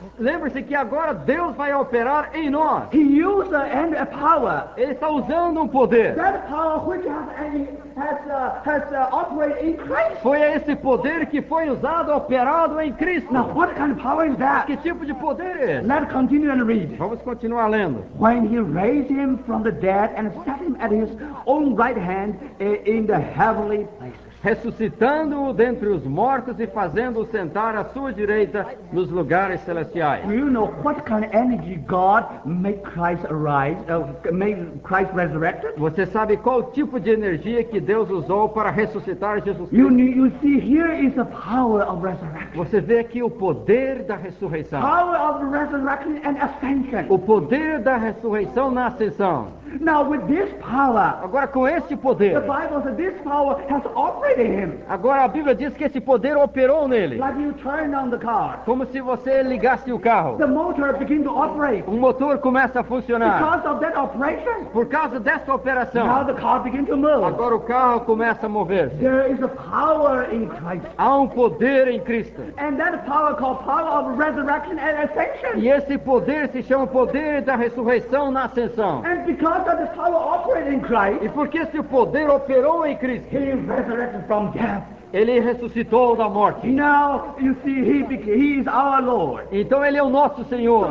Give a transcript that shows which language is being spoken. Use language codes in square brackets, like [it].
[pt] Lembre-se que agora Deus vai operar em nós. [en] He used a power. [pt] Ele está usando poder. [en] That power which has operated in Christ. [pt] Foi esse poder que foi usado, operado em Cristo. [en] Now what kind of power is that? [pt] Que tipo de poder é esse? [en] Let's continue and read. [pt] Vamos continuar lendo. [en] When he raised him from the dead and set him at his own right hand in the heavenly places. [pt] Ressuscitando-o dentre os mortos e fazendo-o sentar à sua direita nos lugares celestiais. [en] Do you know what kind of energy God made Christ arise, made Christ resurrected? [pt] Você sabe qual tipo de energia que Deus usou para ressuscitar Jesus Cristo? [en] You see, here is the power of resurrection. [pt] Você vê aqui o poder da ressurreição. [en] Power of resurrection and ascension. [pt] O poder da ressurreição na ascensão. [en] Now with this power. [pt] Agora com este poder. [en] The Bible says this power has operated in him. [pt] Agora a Bíblia diz que esse poder operou nele. [en] Like you turn on the car. [pt] Como se você ligasse o carro. [en] The motor begins to operate. [pt] O motor começa a funcionar. [en] Because of that operation. [pt] Por causa dessa operação. [en] Now the car begins to move. [pt] Agora o carro começa a mover-se. [en] There is a power in Christ. [pt] Há poder em Cristo. [en] And that power called power of resurrection and ascension. [pt] E esse poder se chama poder da ressurreição na ascensão. [en] And because this power operated in Christ, [pt] e porque esse poder operou em Cristo, [en] he resurrected from death. [pt] Ele ressuscitou da morte. [en] Now you see he is our Lord. [pt] Então ele é o nosso Senhor.